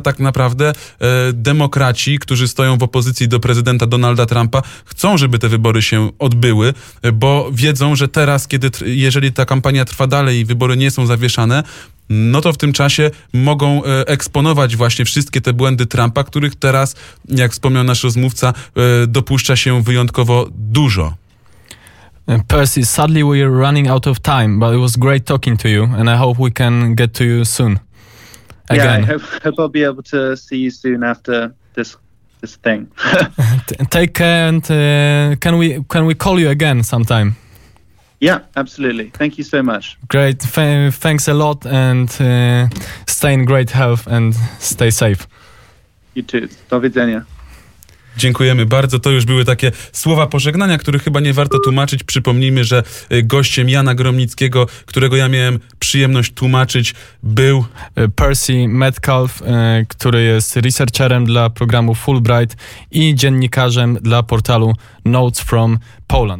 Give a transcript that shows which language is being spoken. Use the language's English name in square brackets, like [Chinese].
[Polish] Tak naprawdę demokraci, którzy stoją w opozycji do prezydenta Donalda Trumpa, chcą, żeby te wybory się odbyły, bo wiedzą, że teraz, kiedy jeżeli ta kampania trwa dalej i wybory nie są zawieszane, no to w tym czasie mogą eksponować właśnie wszystkie te błędy Trumpa, których teraz, jak wspomniał nasz rozmówca, dopuszcza się wyjątkowo dużo. [English] Percy, sadly we are running out of time, but it was great talking to you and I hope we can get to you soon. Again. Yeah, I hope I'll be able to see you soon after this thing. Take care and can we call you again sometime? Yeah, absolutely. Thank you so much. Great. Thanks a lot and stay in great health and stay safe. You too. [Polish] Do widzenia. Dziękujemy bardzo. To już były takie słowa pożegnania, które chyba nie warto tłumaczyć. Przypomnijmy, że gościem Jana Gromnickiego, którego ja miałem przyjemność tłumaczyć, był Percy Metcalf, który jest researcherem dla programu Fulbright i dziennikarzem dla portalu Notes from Poland.